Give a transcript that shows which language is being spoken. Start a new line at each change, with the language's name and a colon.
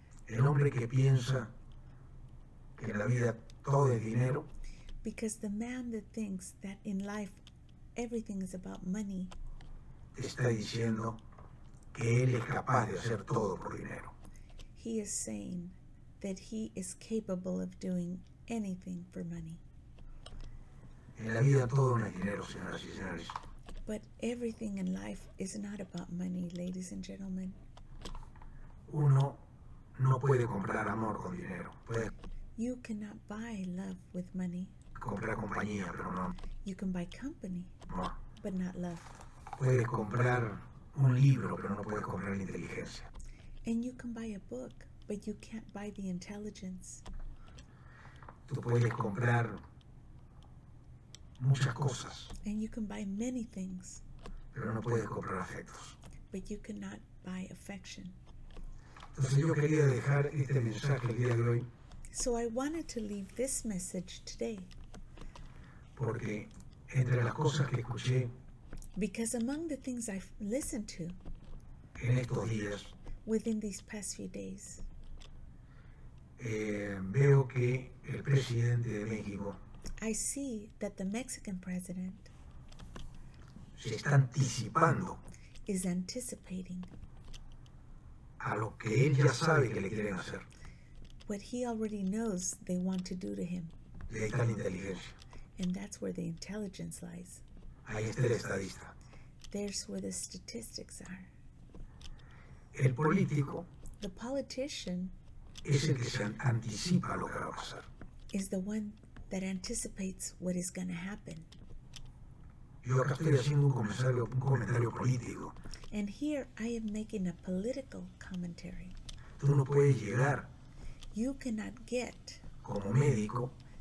Spanish: el hombre que piensa que en la vida todo es dinero,
English: because the man that thinks that in life everything is about money
Spanish: está diciendo que él es capaz de hacer todo por dinero.
English: He is saying that he is capable of doing anything for money.
Spanish: En la vida todo no es dinero, señoras y señores.
English: But everything in life is not about money, ladies and gentlemen.
Spanish: Uno no puede comprar amor con dinero. Puede.
English: You cannot buy love with money.
Spanish: Comprar compañía, pero no.
English: You can buy company,
Spanish: no.
English: But not love.
Spanish: Puedes comprar un libro, pero no puedes comprar la inteligencia.
English: And you can buy a book, but you can't buy the intelligence.
Spanish: Tú puedes comprar muchas cosas.
English: And you can buy many things.
Spanish: Pero no puedes comprar afectos.
English: But you cannot buy affection.
Spanish: Entonces yo quería dejar este mensaje el día de hoy.
English: So I wanted to leave this message today.
Spanish: Porque entre las cosas que escuché,
English: because among the things I've listened to
Spanish: en estos días,
English: within these past few days,
Spanish: veo que el presidente de México,
English: I see that the Mexican president
Spanish: se está anticipando,
English: is anticipating
Spanish: a lo que él ya sabe que le quieren hacer,
English: what he already knows they want to do to him.
Spanish: Y ahí está la inteligencia.
English: And that's where the intelligence lies.
Spanish: Ahí está el estadista.
English: There's where the statistics are.
Spanish: El político,
English: the politician,
Spanish: es el que se anticipa lo que va a pasar.
English: Is the one that anticipates what is going to happen.
Spanish: Yo acá estoy haciendo un comentario político.
English: And here I am making a political commentary.
Spanish: Tú no puedes llegar.
English: You cannot get.
Spanish: Como médico.